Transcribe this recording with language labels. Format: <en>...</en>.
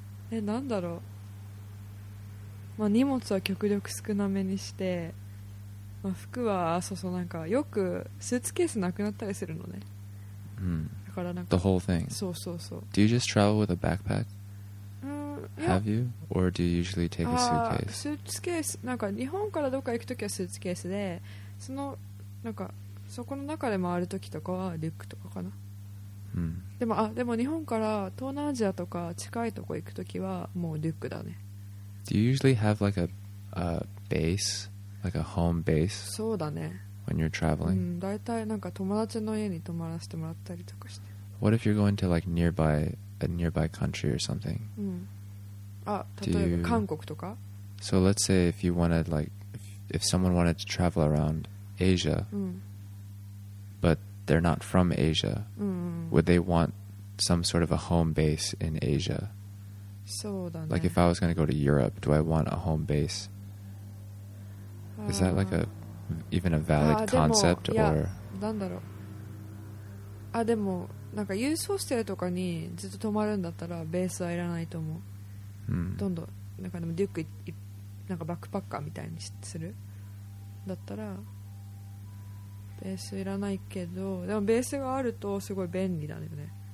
<ja>なんだろう、まあ荷物は極力少なめにして、まあ服は、そうそう、なんかよくスーツケースなくなったりするのね。だからなんか</ja> <en>the whole thing.</en> <ja>そうそうそう。</ja> <en>Do you just travel with a backpack? Have you? Or do you usually take a suitcase?</en> <ja>スーツケース、なんか日本からどっか行くときはスーツケースで、そのなんかそこの中で回るときとかはリュックとかかな。でも、あ、でも日本から東南アジアとか近いとこ行くときはもうリュックだね。</ja> <en>Do you usually have like a base? Like a home base?</en> <ja>そうだね。</ja> <en>When you're traveling?</en> <ja>だいたいなんか友達の家に泊まらせてもらったりとかして。</ja> <en>What if you're going to like nearby, a nearby country or something?</en> <ja>例えば韓国とか。</ja> <en>So let's say if you wanted like if someone wanted to travel around Asia、but they're not from Asia、would they want some sort of a home base in Asia?</en> <ja>そうだね。</ja> <en>Like if I was going to go to Europe, do I want a home base? Is that like a even a valid concept? Or</en> <ja>なんだろう、あ、でもなんかユースホステルとかにずっと泊まるんだったらベースはいらないと思う。どんどんなんかでもリュックなんかバックパッカーみたいにするだったらベースいらないけど、でもベースがあるとすごい便利だよね。</ja>